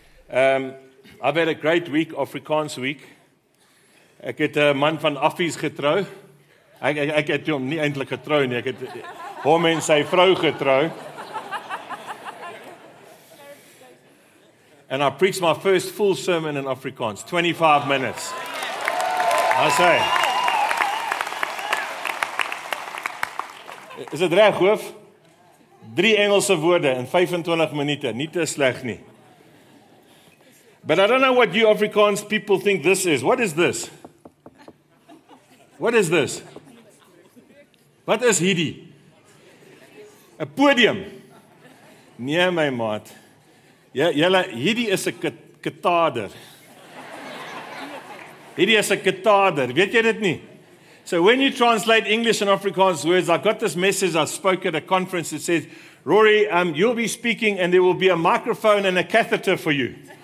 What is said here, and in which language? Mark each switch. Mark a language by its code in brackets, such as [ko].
[en] I've had a great week, Afrikaans week. [af] Ek het 'n man van Affies getrou. Ek het hom nie eintlik getrou nie. Ek het hom en sy vrou getrou. [en] And I preached my first full sermon in Afrikaans, 25 minutes. I say. [af] Is dit reg, hoof? Drie Engelse woorde in 25 minute, nie te sleg nie. [en] But I don't know what you Afrikaans people think this is. What is this? What is this? [af] Wat is hierdie? 'N podium. Nee, my maat. Julle, hierdie is 'n katader. Hierdie is 'n katader, weet jy dit nie? [en] So when you translate English and Afrikaans words, I got this message, I spoke at a conference, it says, Rory, you'll be speaking and there will be a microphone and a catheter for you.